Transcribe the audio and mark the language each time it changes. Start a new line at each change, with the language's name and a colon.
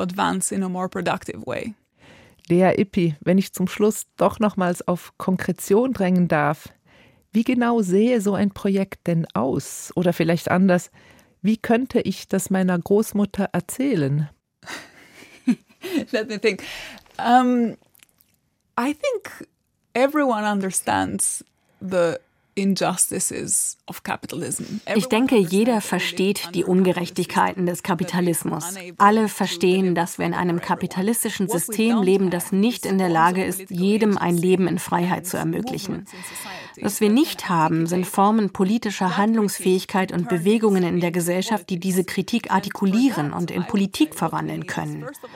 English: advance in a more productive way.
German: Lea Ippi, wenn ich zum Schluss doch nochmals auf Konkretion drängen darf, wie genau sähe so ein Projekt denn aus? Oder vielleicht anders, wie könnte ich das meiner Großmutter erzählen?
English: Let me think. I think everyone understands the injustices of capitalism.
German: Ich denke, jeder versteht die Ungerechtigkeiten des Kapitalismus. Alle verstehen, dass wir in einem kapitalistischen System leben, das nicht in der Lage ist, jedem ein Leben in Freiheit zu ermöglichen. Was wir nicht haben, sind Formen politischer Handlungsfähigkeit und Bewegungen in der Gesellschaft, die diese Kritik artikulieren und in Politik verwandeln können.